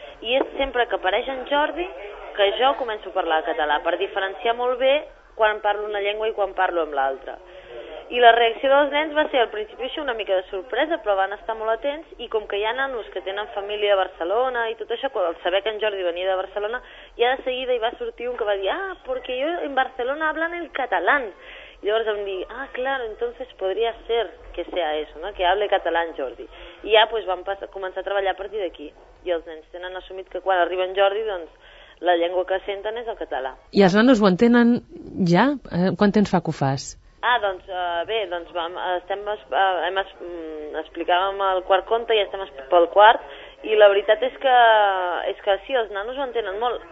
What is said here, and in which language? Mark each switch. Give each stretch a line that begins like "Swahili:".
Catalan: I és sempre que apareix en Jordi que jo començo a parlar català, per diferenciar molt bé quan parlo una llengua i quan parlo amb l'altra. I la reacció dels nens va ser al principi això una mica de sorpresa, però van estar molt atents, i com que hi ha nanos que tenen família a Barcelona i tot això, al saber que en Jordi venia de Barcelona, ja de seguida hi va sortir un que va dir, ah, perquè jo
Spanish: en Barcelona hablan el catalán.
Catalan: I llavors vam dir,
Spanish: ah, claro, entonces podría ser que sea eso, ¿no?, que hable català en Jordi.
Catalan: I ja pues, vam començar a treballar a partir d'aquí, i els nens tenen assumit que quan arriba en Jordi, doncs, la llengua que senten és el català. I els nanos ho entenen ja? Quant temps fa que ho fas? Ah, doncs bé, doncs vam, estem, hem explicàvem el quart conte i estem pel quart, i la veritat és que sí, els nanos ho entenen molt.